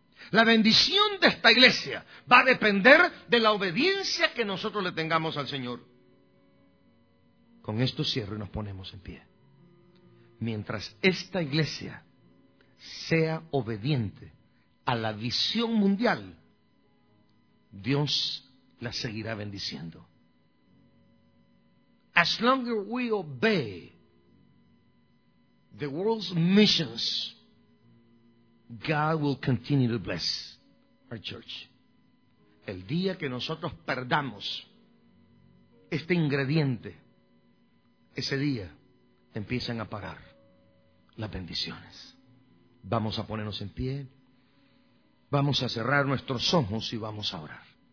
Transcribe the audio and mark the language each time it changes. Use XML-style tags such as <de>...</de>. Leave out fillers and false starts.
<es>La bendición de esta iglesia va a depender de la obediencia que nosotros le tengamos al Señor. Con esto cierro y nos ponemos en pie. Mientras esta iglesia sea obediente a la visión mundial, Dios la seguirá bendiciendo.</es> <en>As long as we obey the world's missions, God will continue to bless our church.</en> <es>El día que nosotros perdamos este ingrediente, ese día empiezan a parar las bendiciones. Vamos a ponernos en pie, vamos a cerrar nuestros ojos y vamos a orar.</es>